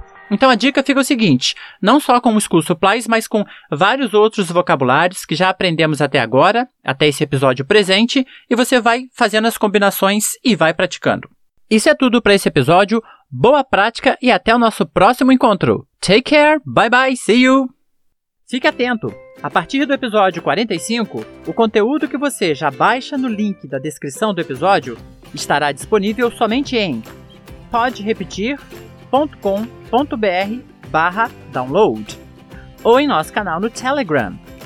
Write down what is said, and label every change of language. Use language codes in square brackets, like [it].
[pt] Então, a dica fica o seguinte, não só com os School Supplies, mas com vários outros vocabulários que já aprendemos até agora, até esse episódio presente, e você vai fazendo as combinações e vai praticando. Isso é tudo para esse episódio. Boa prática e até o nosso próximo encontro. [en] Take care, bye bye, see you! [pt] Fique atento! A partir do episódio 45, o conteúdo que você já baixa no link da descrição do episódio estará disponível somente em poderepetir.com.br/download ou em nosso canal no Telegram.